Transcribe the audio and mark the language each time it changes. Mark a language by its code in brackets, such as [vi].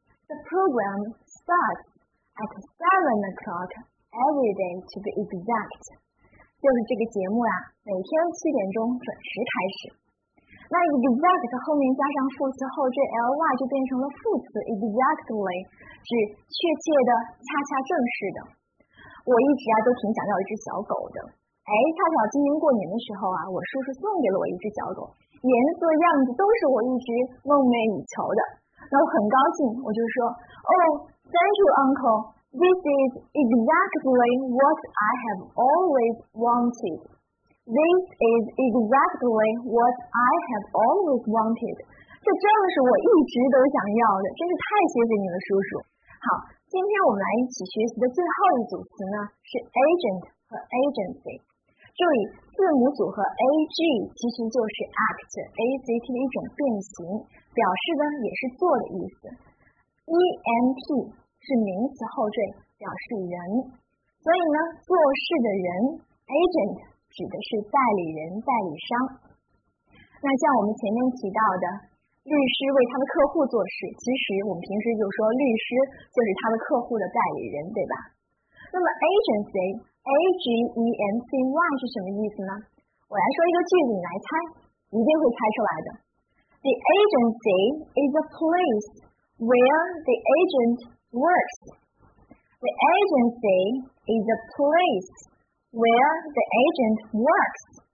[en] The program starts at 7 o'clock every day, to be exact. [zh] 就是这个节目啊，每天七点钟准时开始。那 exact 后面加上副词后缀 ly 就变成了副词 exactly， 指确切的、恰恰正式的。我一直啊都挺想要一只小狗的。哎，恰巧今年过年的时候啊，我叔叔送给了我一只小狗。颜色样子都是我一直梦寐以求的，那我很高兴，我就说 [en] Oh, thank you uncle, this is exactly what I have always wanted. This is exactly what I have always wanted. [zh] 这真的是我一直都想要的，真是太谢谢你了叔叔。好，今天我们来一起学习的最后一组词呢是 agent 和 agency。注意字母组合 AG 其实就是 act ACT 的一种变形，表示的也是做的意思。 ENT 是名词后缀表示人，所以呢做事的人 agent 指的是代理人代理商。那像我们前面提到的律师为他的客户做事，其实我们平时就说律师就是他的客户的代理人，对吧？那么 agencyAgency 是什么意思呢？我来说一个句子你来猜，一定会猜出来的。 [en] The agency is a place where the agent works. The agency is a place where the agent works.